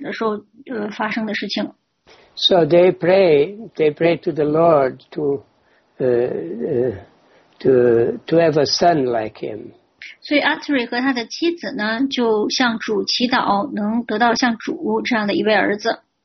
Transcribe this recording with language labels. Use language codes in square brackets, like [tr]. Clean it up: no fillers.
[zh] 那这个呢，是在创造之初，就是跟创造刚开始的时候发生的事情。 [en] So they pray to the Lord to have a son like him. [zh] 所以阿特瑞和他的妻子呢，就向主祈祷，能得到像主这样的一位儿子。